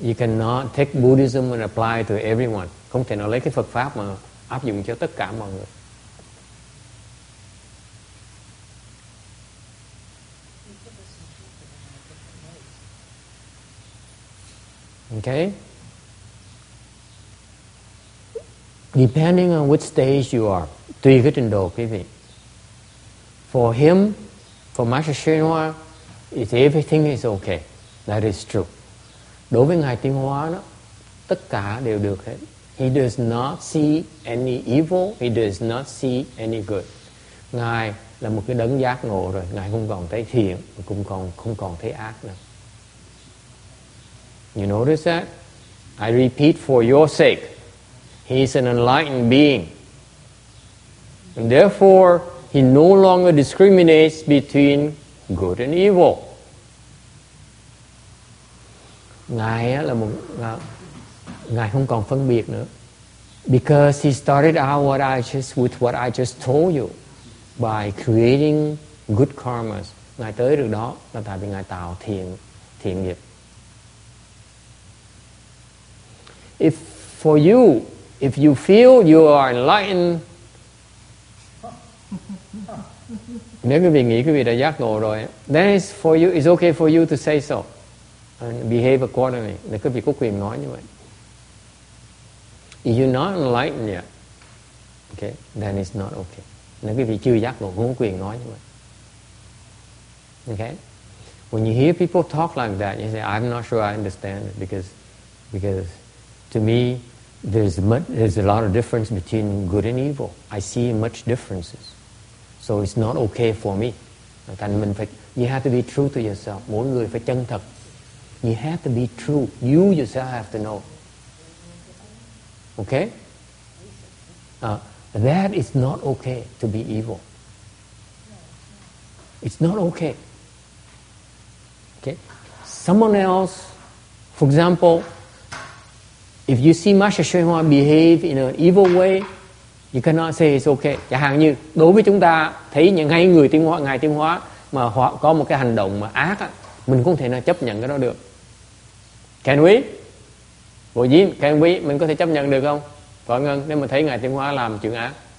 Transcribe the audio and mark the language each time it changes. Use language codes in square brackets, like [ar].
[en] You cannot take Buddhism and apply to everyone. [vi] Không thể nào lấy cái Phật pháp mà áp dụng cho tất cả mọi người. [en] Okay. Depending on which stage you are, [vi] tùy cái trình độ, quý vị. [en] For him, for Master Shenhua, if everything is okay, that is true. [vi] Đối với Ngài Tinh Hoa đó, tất cả đều được hết. [en] He does not see any evil, he does not see any good. [vi] Ngài là một cái đấng giác ngộ rồi, Ngài không còn thấy thiện, cũng còn không còn thấy ác nữa. [en] You notice that? I repeat for your sake. He is an enlightened being. And therefore, he no longer discriminates between good and evil. [vi] Ngài là một ngài không còn phân biệt nữa. [en] Because he started out with what I just told you by creating good karmas. [vi] Ngài tới được đó là tại vì ngài tạo thiện nghiệp. [en] If you feel you are enlightened, [vi] nếu quý vị nghĩ quý vị đã giác ngộ rồi, [en] then it's okay for you to say so and behave accordingly. [vi] Nên quý vị có quyền nói như vậy. [en] If you're not enlightened yet, okay, then it's not okay. [vi] Nên quý vị chưa giác ngộ, không có quyền nói như vậy. [en] Okay? When you hear people talk like that, you say, I'm not sure I understand it because to me, there's a lot of difference between good and evil. I see much differences. So it's not okay for me. You have to be true to yourself. [vi] Mỗi người phải chân thật. [en] You have to be true. You yourself have to know. Okay? That is not okay to be evil. It's not okay. Okay? Someone else, for example, if you see Master Shenhua behave in an evil way, you cannot say it's okay. [vi] Chẳng hạn như đối với chúng ta thấy những hay người tiến hóa, ngài tiến hóa mà họ có một cái hành động mà ác á, mình không thể nào chấp nhận cái đó được. [en] Can we? [vi] Bộ Dinh, [en] can we? [vi] Mình có thể chấp nhận được không? Võ Ngân, nếu mà thấy ngài tiến hóa làm chuyện ác.